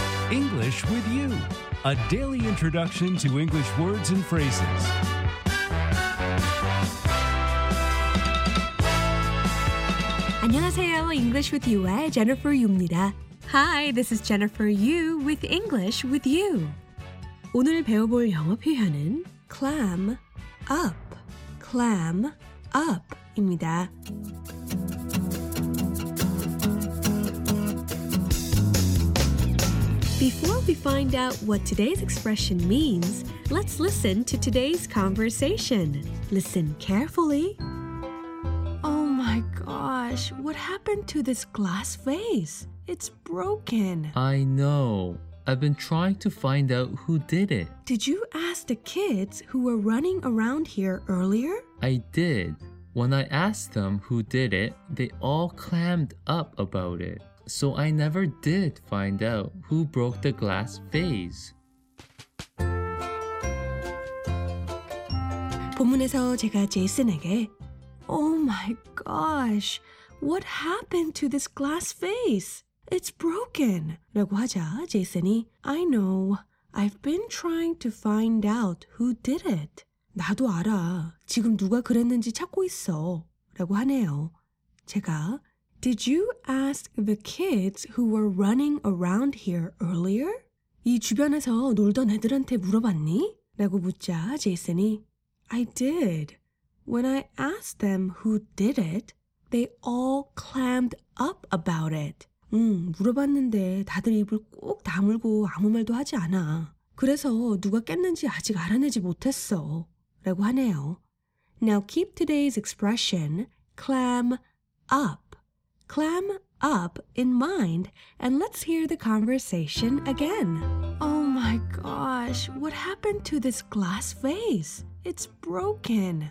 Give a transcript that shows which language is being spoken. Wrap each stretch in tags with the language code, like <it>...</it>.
<en>English with you, a daily introduction to English words and phrases.</en> <ko>English with you의 Jennifer Yu입니다.</ko> <en>Hi, this is Jennifer Yu with English with you.</en> <ko>오늘 배워볼 영어 표현은 clam up, clam up입니다.</ko> <en>Before we find out what today's expression means, let's listen to today's conversation. Listen carefully. Oh my gosh, what happened to this glass vase? It's broken. I know. I've been trying to find out who did it. Did you ask the kids who were running around here earlier? I did. When I asked them who did it, they all clammed up about it. So I never did find out who broke the glass vase.</en> <ko>본문에서 제가 제이슨에게</ko> <en>Oh my gosh, what happened to this glass vase? It's broken.</en> <ko>라고 하자 제이슨이</ko> <en>I know, I've been trying to find out who did it.</en> <ko>나도 알아, 지금 누가 그랬는지 찾고 있어. 라고 하네요. 제가</ko> <en>Did you ask the kids who were running around here earlier?</en> <ko>이 주변에서 놀던 애들한테 물어봤니? 라고 묻자 제이슨이</ko> <en>I did. When I asked them who did it, they all clammed up about it.</en> <ko>물어봤는데 다들 입을 꼭 다물고 아무 말도 하지 않아. 그래서 누가 깼는지 아직 알아내지 못했어. 라고 하네요.</ko> <en>Now keep today's expression, clam up. Clam up in mind, and let's hear the conversation again. Oh my gosh, what happened to this glass vase? It's broken.</en>